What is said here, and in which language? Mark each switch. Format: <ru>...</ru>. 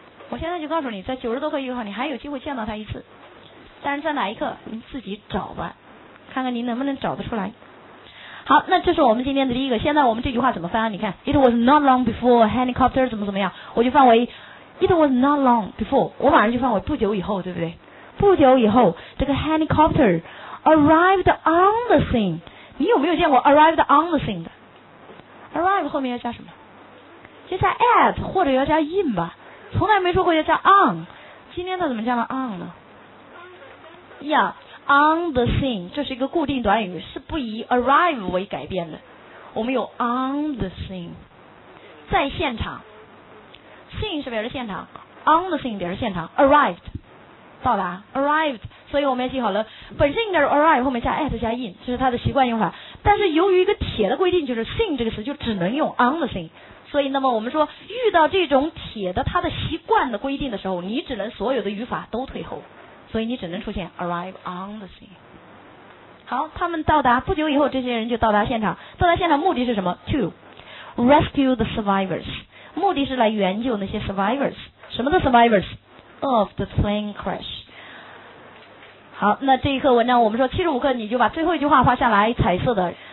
<zh>我现在就告诉你，在90多课有一课你还有机会见到它一次，但是在哪一课您自己找吧，看看您能不能找得出来。好，那这是我们今天的第一个，现在我们这句话怎么翻、啊、你看</zh> <en>It was not long before helicopter</en> <zh>怎么怎么样，我就放为</zh> <en>It was not long before，</en> <zh>我马上就放为不久以后，对不对？不久以后这个</zh> <en>helicopter arrived on the scene，</en> <zh>你有没有见过</zh> <en>arrived on the scene</en> <zh>的？ arrive 后面要加什么？就加 at 或者要加 in 吧，从来没说过要加 on， 今天它怎么加了 on 呢？</zh> <en>Yeah, on the scene</en> <zh>这是一个固定短语，是不以 arrive 为改变的，我们有 on the scene 在现场， scene 是表示现场， on the scene 表示现场， arrived 到达， arrived， 所以我们要记好了，本身应该是 arrive 后面加 at 加 in， 这是它的习惯用法，但是由于一个铁的规定，就是 scene 这个词就只能用 on the scene，所以那么我们说遇到这种铁的它的习惯的规定的时候，你只能所有的语法都退后，所以你只能出现</zh> <en>arrive on the scene。</en> <zh>好，他们到达不久以后，这些人就到达现场，到达现场目的是什么？</zh> <en>to rescue the survivors，</en> <zh>目的是来援救那些 survivors， 什么的 survivors？</zh> <en>of the plane crash。</en> <zh>好，那这一课文章我们说75课你就把最后一句话画下来，彩色的</zh>